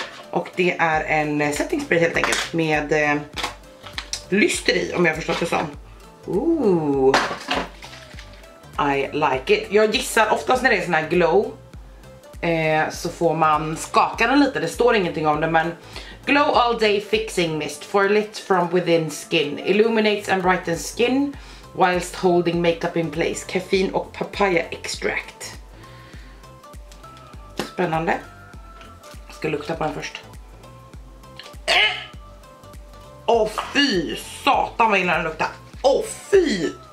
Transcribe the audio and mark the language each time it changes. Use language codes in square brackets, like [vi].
[sv] Och det är en setting spray helt enkelt med lyster i, om jag förstått det som. Ooh. [en] I like it. [sv] Jag gissar oftast när det är sån här glow så får man skaka den lite. Det står ingenting om det, men [en] Glow All Day Fixing Mist for lit from within skin. Illuminates and brightens skin whilst holding makeup in place. [sv] Caffeine och papaya extract. Spännande. Jag ska lukta på den först. Åh fy, satan vad illa den luktar. Åh fy.